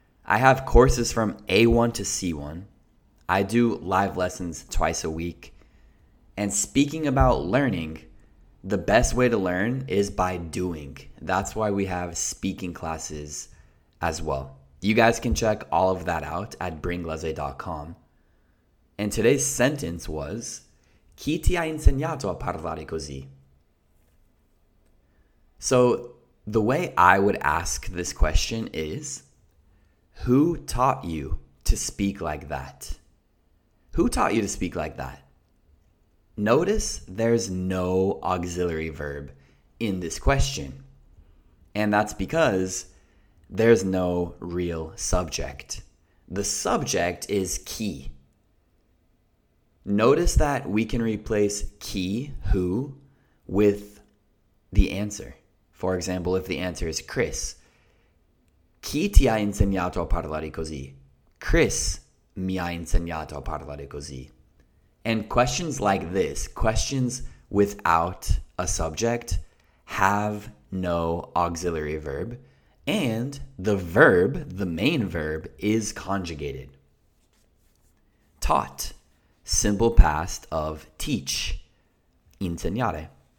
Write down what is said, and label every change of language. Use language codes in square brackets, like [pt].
[en] I have courses from A1 to C1. I do live lessons twice a week. And speaking about learning, the best way to learn is by doing. That's why we have speaking classes as well. You guys can check all of that out at bringlese.com. And today's sentence was, [it] Chi ti ha insegnato a parlare così? [en] So the way I would ask this question is, who taught you to speak like that? Who taught you to speak like that? Notice there's no auxiliary verb in this question. And that's because there's no real subject. The subject is chi. Notice that we can replace chi, who, with the answer. For example, if the answer is Chris. [it] Chi ti ha insegnato a parlare così? Chris mi ha insegnato a parlare così. [en] And questions like this, questions without a subject, have no auxiliary verb, and the verb, the main verb, is conjugated. Taught, simple past of teach, insegnare.